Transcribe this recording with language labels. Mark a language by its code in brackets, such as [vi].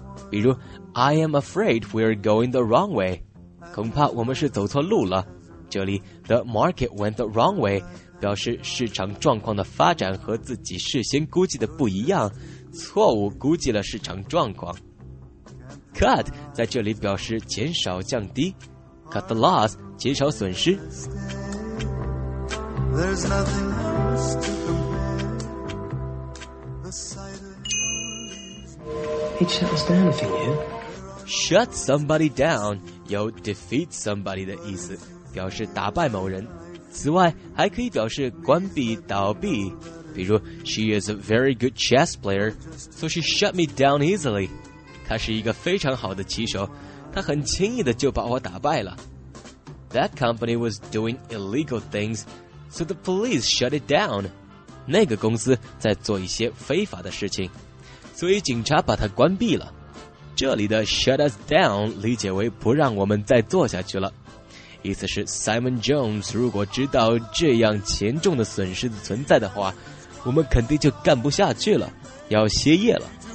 [en] 比如 I am afraid we are going the wrong way， [zh] 恐怕我们是走错路了。这里 [en] the market went the wrong way [zh] 表示市场状况的发展和自己事先估计的不一样，错误估计了市场状况。 Cut 在这里表示减少降低， [en] Cut the loss [zh] 减少损失。 [en] Shut somebody down [zh] 有 [en] defeat somebody [zh] 的意思，表示打败某人。此外还可以表示关闭倒闭，比如 [en] She is a very good chess player, so she shut me down easily. [zh] 她是一个非常好的棋手，她很轻易地就把我打败了。 [en] That company was doing illegal things, so the police shut it down. [zh] 那个公司在做一些非法的事情，所以警察把它关闭了。这里的 shut us down 理解为不让我们再做下去了，意思是 Simon Jones 如果知道这样严重的损失的存在的话，我们肯定就干不下去了，要歇业了。